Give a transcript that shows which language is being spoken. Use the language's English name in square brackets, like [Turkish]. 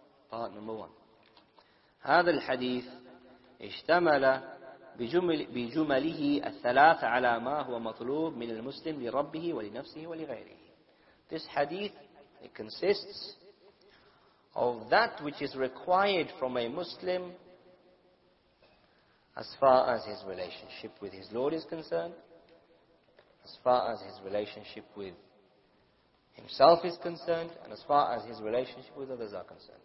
[English] Part number one. [Arabic] هذا الحديث اشتمل بجمله الثلاث على ما هو مطلوب من المسلم لربه ولنفسه ولغيره. [English] This hadith, it consists of that which is required from a Muslim as far as his relationship with his Lord is concerned, as far as his relationship with himself is concerned, and as far as his relationship with others are concerned.